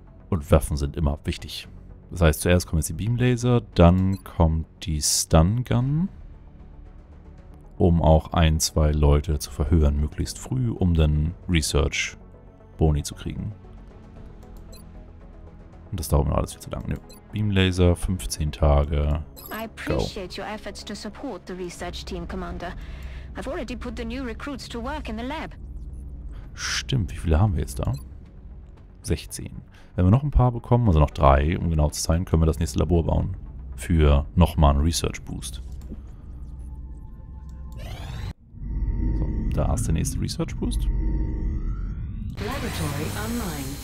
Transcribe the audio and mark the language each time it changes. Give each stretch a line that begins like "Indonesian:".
German: Und Waffen sind immer wichtig. Das heißt, zuerst kommen jetzt die Beamlaser, dann kommt die Stun Gun, um auch ein, zwei Leute zu verhören, möglichst früh, um dann Research Boni zu kriegen. Und das dauert mir alles viel zu lange. Nö. Beamlaser, 15 Tage.
English: I appreciate your efforts to support the research team, Commander. I've already put the new recruits to work in the lab.
German: Stimmt, wie viele haben wir jetzt da? 16. Wenn wir noch ein paar bekommen, also noch 3, um genau zu sein, können wir das nächste Labor bauen. Für nochmal einen Research Boost. So, da ist der nächste Research Boost.
English: Laboratory online.